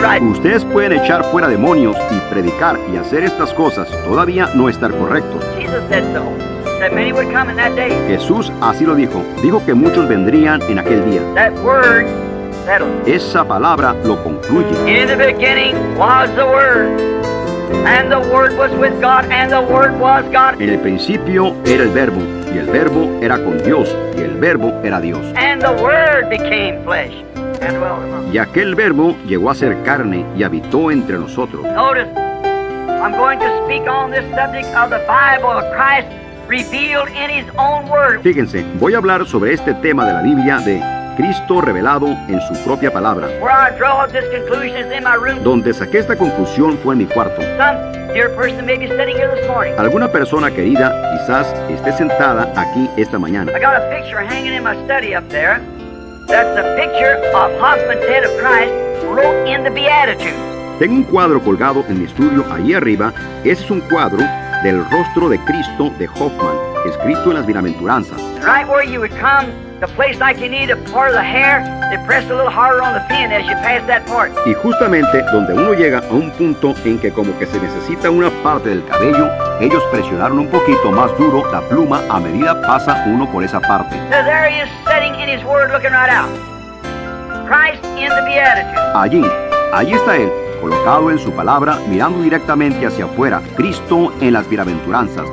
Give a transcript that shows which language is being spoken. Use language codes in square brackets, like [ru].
[es] Ustedes pueden echar fuera demonios y predicar y hacer estas cosas, todavía no estar correcto. [en] Jesus said so, that many would come in that day. [es] Jesús así lo dijo. Dijo que muchos vendrían en aquel día. [en] That word settled. [es] Esa palabra lo concluye. [en] In the beginning was the word. And the word was with God, and the word was God. [es] En el principio era el verbo, y el verbo era con Dios, y el verbo era Dios. [en] And the word became flesh and dwelt among us. [es] Y aquel verbo llegó a ser carne y habitó entre nosotros. [en] Notice, I'm going to speak on this subject of the Bible, Christ revealed in his own word. [es] Fíjense, voy a hablar sobre este tema de la Biblia de Cristo revelado en su propia palabra. [en] Where I draw this conclusion is in my room. [es] Donde saqué esta conclusión fue en mi cuarto. [en] Some dear person may be sitting here this morning. [es] Alguna persona querida quizás esté sentada aquí esta mañana. [en] I got a picture hanging in my study up there. That's a picture of Hoffman Ted of Christ wrote in the Beatitudes. [es] Tengo un cuadro colgado en mi estudio ahí arriba. Ese es un cuadro del rostro de Cristo de Hoffman, escrito en las Bienaventuranzas. [en] Right where you would come. The place like you need a part of the hair, they press a little harder on the pin as you pass that part. [es] Y justamente donde uno llega a un punto en que como que se necesita una parte del cabello, ellos presionaron un poquito más duro la pluma a medida pasa uno por esa parte. [en] Now there he is sitting in his word looking right out. Christ in the Beatitude. [es] Allí está él, colocado en su palabra, mirando directamente hacia afuera, Cristo en las Bienaventuranzas.